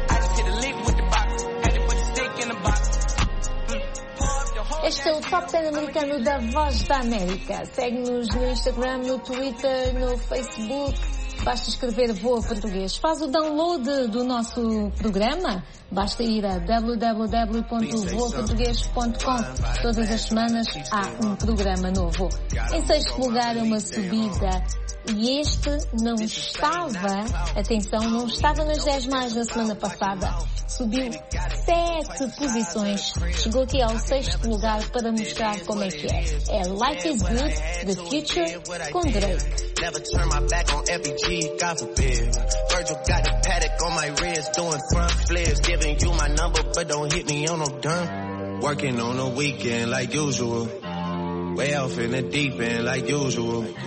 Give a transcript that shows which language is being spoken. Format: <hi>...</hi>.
<en>I just hit a leaf with the box, had to put the stick in the box.</en> <pt>Este é o Top 10 americano da Voz da América. Segue-nos no Instagram, no Twitter, no Facebook. Basta escrever Voa Português. Faz o download do nosso programa. Basta ir a www.voaportugues.com. Todas as semanas há um programa novo. Em sexto lugar, uma subida. E este não estava, atenção, não estava nas 10 mais da semana passada. Subiu 7 posições. Chegou aqui ao sexto lugar para mostrar como é que é. É Life is Good, The Future, com Drake.</pt> <en>Never turn my back on FBG, God forbid. Virgil got the paddock on my wrist, doing front flips. Giving you my number, but don't hit me on no dumb. Working on the weekend like usual. Way off in the deep end like usual.</en>